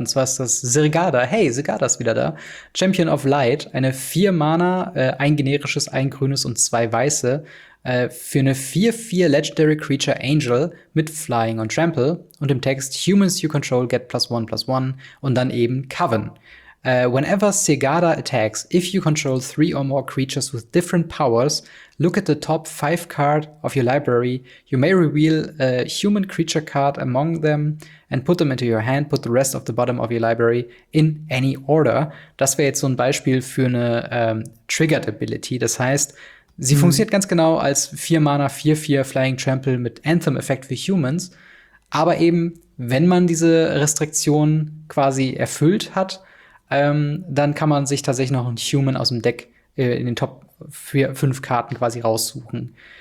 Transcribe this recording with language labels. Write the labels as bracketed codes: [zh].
[de] Und zwar ist das Zirgada. Hey, Zirgada ist wieder da. Champion of Light, eine 4-Mana, ein generisches, ein grünes und 2 weiße. Für eine 4-4 Legendary Creature Angel mit Flying und Trample und im Text [en] Humans you control get +1/+1 [de] und dann eben Coven. [en] Whenever Zirgada attacks, if you control 3 or more creatures with different powers, look at the top 5 card of your library. You may reveal a human creature card among them and put them into your hand, put the rest of the bottom of your library in any order. [de] Das wäre jetzt so ein Beispiel für eine Triggered Ability. Das heißt, sie funktioniert ganz genau als 4-Mana 4-4 Flying Trample mit Anthem-Effekt für Humans. Aber eben, wenn man diese Restriktion quasi erfüllt hat, dann kann man sich tatsächlich noch einen Human aus dem Deck in den Top 5 Karten quasi raussuchen.